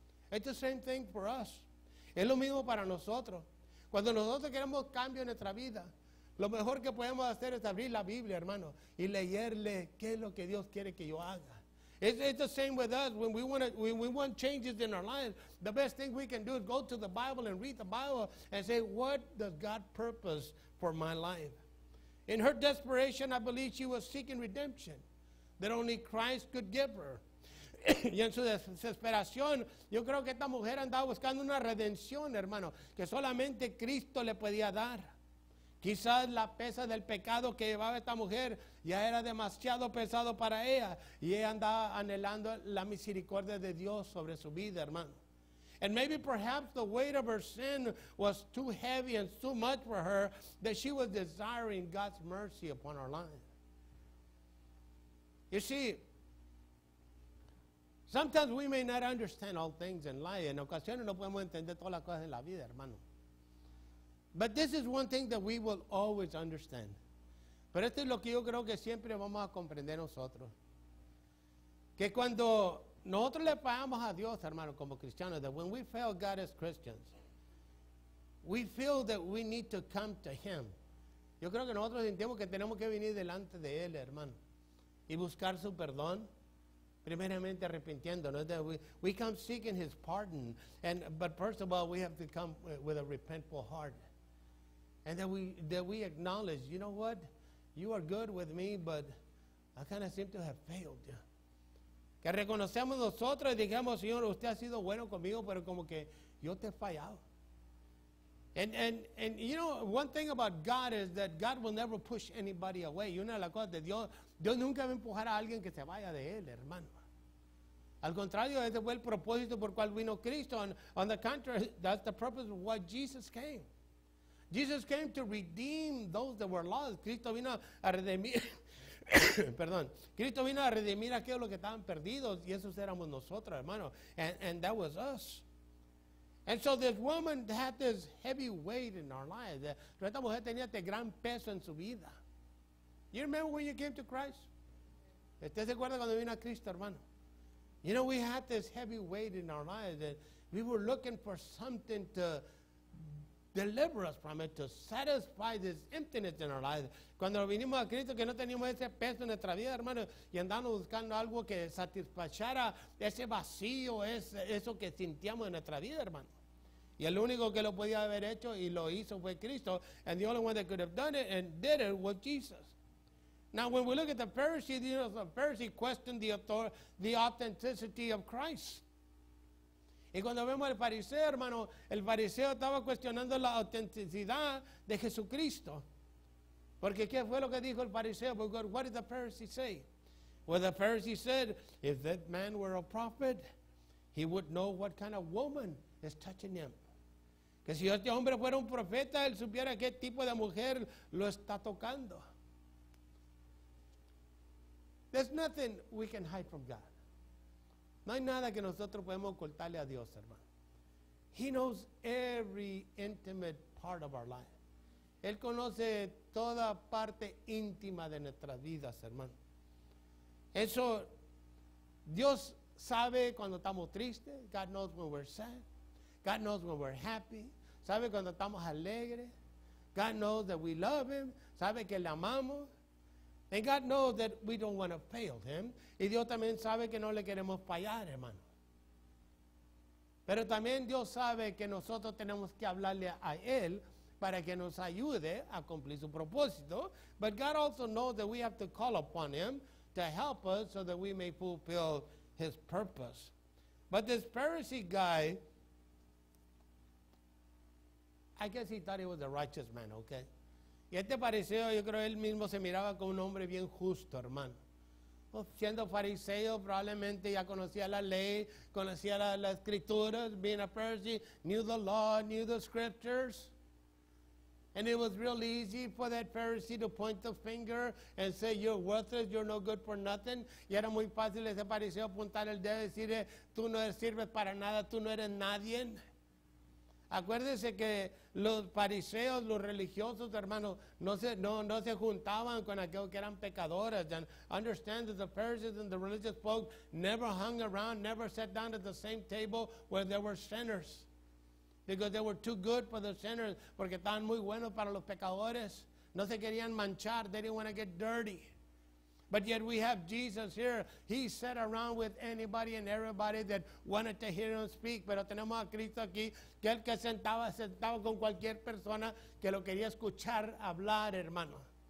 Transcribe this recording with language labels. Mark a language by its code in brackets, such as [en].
[en] It's the same thing for us. [es] Es lo mismo para nosotros. Cuando nosotros queremos cambio en nuestra vida, lo mejor que podemos hacer es abrir la Biblia, hermano, y leerle qué es lo que Dios quiere que yo haga. [en] It's the same with us. When we want to, we want changes in our lives, the best thing we can do is go to the Bible and read the Bible and say, what does God purpose for my life? In her desperation, I believe she was seeking redemption that only Christ could give her. [es] Y en su desesperación, yo creo que esta mujer andaba buscando una redención, hermano, que solamente Cristo le podía dar. Quizás la pesa del pecado que llevaba esta mujer ya era demasiado pesado para ella, y ella andaba anhelando la misericordia de Dios sobre su vida, hermano. [en] And maybe perhaps the weight of her sin was too heavy and too much for her that she was desiring God's mercy upon her life. You see, sometimes we may not understand all things in life. [es] En ocasiones no podemos entender todas las cosas en la vida, hermano. [en] But this is one thing that we will always understand. [es] Pero esto es lo que yo creo que siempre vamos a comprender nosotros. Que cuando nosotros le fallamos a Dios, hermano, como cristianos, [en] that when we fail God as Christians, we feel that we need to come to Him. [es] Yo creo que nosotros sentimos que tenemos que venir delante de Él, hermano, y buscar su perdón. Primeramente arrepintiendo, ¿no? [en] We come seeking His pardon, and but first of all, we have to come with a repentful heart, and that we acknowledge, you know what, you are good with me, but I kind of seem to have failed. [es] Que reconocemos nosotros y digamos, Señor, usted ha sido bueno conmigo, pero como que yo te he fallado. [en] And you know, one thing about God is that God will never push anybody away. [es] Y una de las cosas de Dios, Dios nunca va a empujar a alguien que se vaya de Él, hermano. Al contrario, ese fue el propósito por cual vino Cristo. [en] On the contrary, that's the purpose of why Jesus came. Jesus came to redeem those that were lost. [es] Cristo vino a redimir, perdón. Cristo vino a redimir a aquellos que estaban perdidos, y esos éramos nosotros, hermano. [en] And that was us. And so this woman had this heavy weight in her life. [es] Esta mujer tenía este gran peso en su vida. [en] You remember when you came to Christ? [es] ¿Usted se acuerda cuando vino a Cristo, hermano? [en] You know, we had this heavy weight in our lives, and we were looking for something to deliver us from it, to satisfy this emptiness in our lives. [es] Cuando vinimos a Cristo, que no teníamos ese peso en nuestra vida, hermano, y andamos buscando algo que satisfachara ese vacío, eso que sentíamos en nuestra vida, hermano. Y el único que lo podía haber hecho y lo hizo fue Cristo. [en] And the only one that could have done it and did it was Jesus. Now, when we look at the Pharisees, you know, the Pharisees questioned the authenticity of Christ. [es] Y cuando vemos al fariseo, hermano, el fariseo estaba cuestionando la autenticidad de Jesucristo. Porque ¿qué fue lo que dijo el fariseo? [en] Because what did the Pharisee say? Well, the Pharisee said, if that man were a prophet, he would know what kind of woman is touching him. [es] Que si este hombre fuera un profeta, él supiera qué tipo de mujer lo está tocando. [en] There's nothing we can hide from God. [es] No hay nada que nosotros podemos ocultarle a Dios, hermano. [en] He knows every intimate part of our life. [es] Él conoce toda parte íntima de nuestras vidas, hermano. Eso, Dios sabe cuando estamos tristes. [en] God knows when we're sad. God knows when we're happy. [es] Sabe cuando estamos alegres. [en] God knows that we love Him. [es] Sabe que le amamos. [en] And God knows that we don't want to fail Him. [es] Y Dios también sabe que no le queremos fallar, hermano. Pero también Dios sabe que nosotros tenemos que hablarle a Él para que nos ayude a cumplir su propósito. [en] But God also knows that we have to call upon Him to help us so that we may fulfill His purpose. But this Pharisee guy, I guess he thought he was a righteous man, okay? [es] Y este fariseo, yo creo, él mismo se miraba como un hombre bien justo, hermano. Pues siendo fariseo, probablemente ya conocía la ley, conocía la escrituras, [en] being a Pharisee, knew the law, knew the scriptures. And it was real easy for that Pharisee to point the finger and say, you're worthless, you're no good for nothing. [es] Y era muy fácil ese fariseo apuntar el dedo y decirle, tú no sirves para nada, tú no eres nadie. Acuérdense que los fariseos, los religiosos, hermanos, no se juntaban con aquellos que eran pecadores. [en] And understand that the Pharisees and the religious folks never hung around, never sat down at the same table where there were sinners. Because they were too good for the sinners, [es] porque estaban muy buenos para los pecadores. No se querían manchar, [en] they didn't want to get dirty. But yet we have Jesus here. He sat around with anybody and everybody that wanted to hear him speak. [es] Pero tenemos a Cristo aquí, que el que sentaba, sentaba con cualquier persona que lo quería escuchar hablar, hermano.